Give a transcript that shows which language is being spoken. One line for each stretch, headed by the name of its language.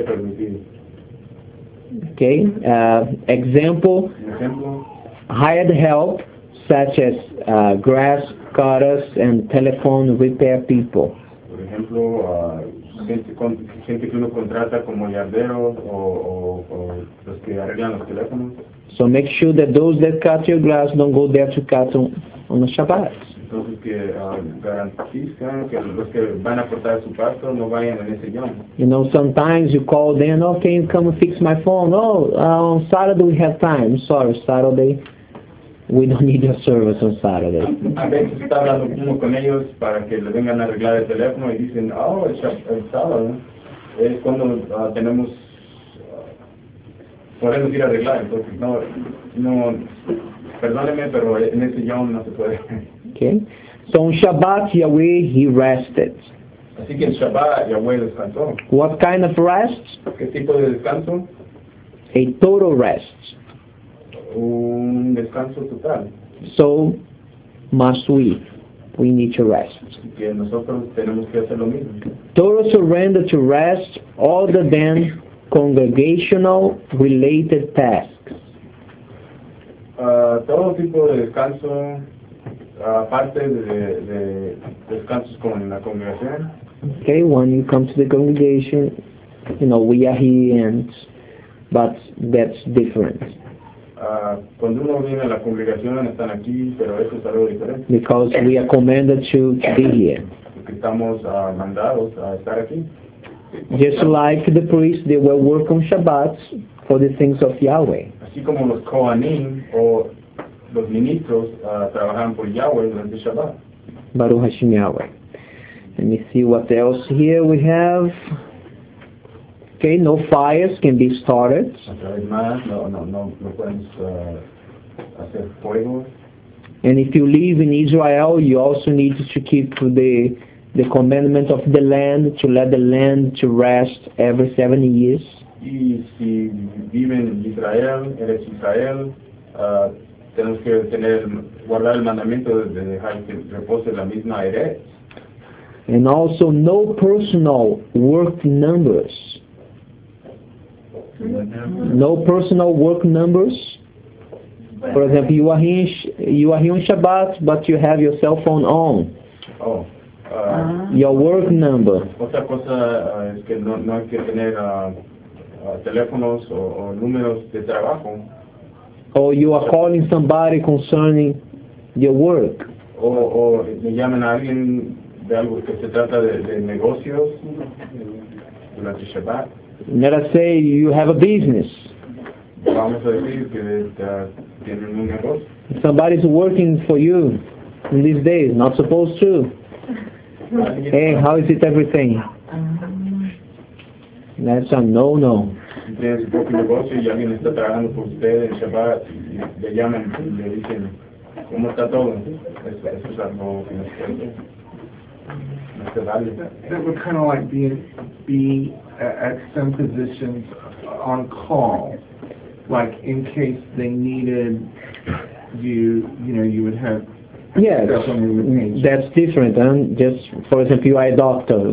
English: Okay, example, hired help such as grass cutters and telephone repair people. For example,
Spanish: gente que uno contrata como yarderos o los que arreglan los teléfonos.
English: So make sure that those that cut your grass don't go there to cut on the Shabbat. You know, sometimes you call them, oh, can you come and fix my phone? Oh, on Saturday we have time. Sorry, Saturday, we don't need your service on Saturday.
Spanish: A veces está hablando uno con ellos para que le vengan a arreglar el teléfono y dicen, oh, el sábado es cuando tenemos... Podemos ir a arreglar, entonces, no, perdóneme, pero en ese
Hebrew: yom
Spanish: no se puede.
English: Okay. So on Shabbat, Yahweh, he rested.
Spanish: Así que en Shabbat, Yahweh descansó.
English: What kind of rest?
Spanish: ¿Qué tipo de descanso?
English: A total rest.
Spanish: Un descanso total.
English: So, must we need to rest.
Spanish: Así que nosotros tenemos que hacer lo mismo.
English: Total surrender to rest, other than... congregational related tasks.
Spanish: Todo tipo de descanso, aparte de descansos con la congregación.
English: Okay, when you come to the congregation, you know, we are here, and, but that's different.
Spanish: Cuando uno viene a la congregación, están aquí, pero eso es algo diferente.
English: Because we are commanded to be here.
Spanish: Porque estamos mandados a estar aquí.
English: Just like the priests, they will work on Shabbat for the things of Yahweh.
Spanish: Así como los Kohanim o los ministros trabajan por Yahweh durante Shabbat.
Hebrew: Baruch Hashem Yahweh.
English: Let me see what else here we have. Okay, no fires can be started.
Spanish: No puedes hacer fuego.
English: And if you live in Israel, you also need to keep the commandment of the land, to let the land to rest every 7 years.
Spanish: Y si viven en Israel, eres Israel, tenemos que tener, guardar el mandamiento de dejar que repose la misma heredad.
English: And also, no personal work numbers. No personal work numbers. For example, you are here on Shabbat, but you have your cell phone on. Oh. Your work number.
Spanish: Otra cosa es que no hay que tener teléfonos o números de trabajo.
English: Or you are calling somebody concerning your work.
Spanish: O me llaman a alguien de algo que se trata de negocios durante Shabbat.
English: Let us say you have a business.
Spanish: Vamos a decir que tienen un negocio.
English: Somebody is working for you in these days, not supposed to. Hey, how is it everything? That's a no-no.
Spanish: tiene su propio negocio y alguien está trabajando por usted en Shabbat, le llaman y le dicen, ¿cómo está todo? Eso es algo que no se vale.
English: That would kind of like be at some positions on call, like in case they needed you know, you would have. Yes, that's different than just, for example, you are a doctor.